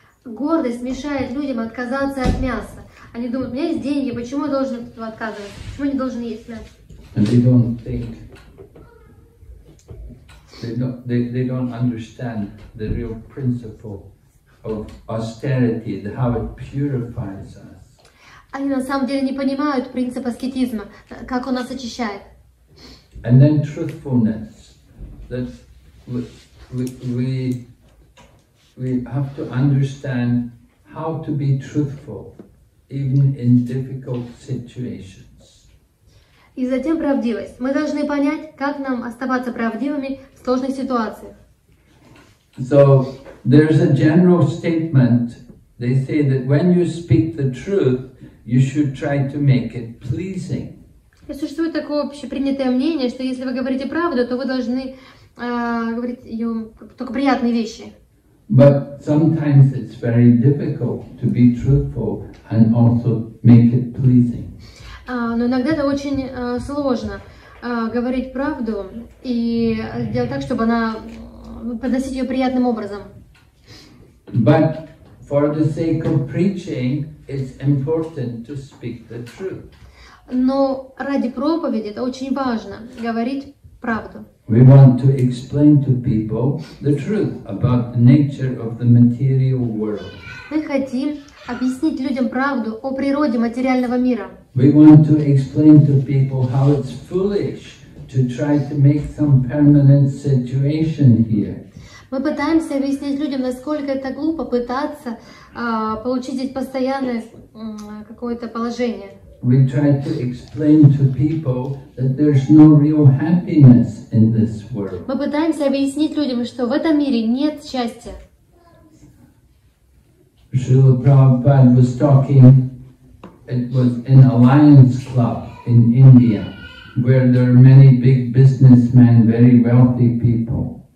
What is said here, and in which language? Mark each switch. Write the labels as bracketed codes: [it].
[ru] Гордость мешает людям отказаться от мяса. Они думают, у меня есть деньги, почему я должен от этого отказывать? Почему я не должен есть мясо? [en] They don't think. They don't understand the real principle of austerity, how it purifies us. [ru] Они на самом деле не понимают принцип аскетизма, как он нас очищает. [en] And then truthfulness, that we have to understand how to be truthful, even in difficult situations. [ru] И затем правдивость. Мы должны понять, как нам оставаться правдивыми в сложных ситуациях. [en] So there's a general statement. They say that when you speak the truth, you should try to make it pleasing. [ru] Существует такое общепринятое мнение, что если вы говорите правду, то вы должны говорить ее только приятные вещи. [en] But sometimes it's very difficult to be truthful and also make it pleasing. [ru] Но иногда это очень сложно говорить правду и сделать так, чтобы она подносить ее приятным образом. [en] But for the sake of preaching, it's important to speak the truth. [ru] Но ради проповеди это очень важно говорить правду. [en] We want to explain to people the truth about the nature of the material world. [ru] Мы хотим объяснить людям правду о природе материального мира. [en] We want to explain to people how it's foolish to try to make some permanent situation here. [ru] Мы пытаемся объяснить людям, насколько это глупо пытаться получить здесь постоянное какое-то положение. [en] We try to explain to people that there's no real happiness in this world. [ru] Мы пытаемся объяснить людям, что в этом мире нет счастья. [en] Шрила Прабхупада was talking, it was in a Lions Club in India, where there are many big businessmen, very wealthy people.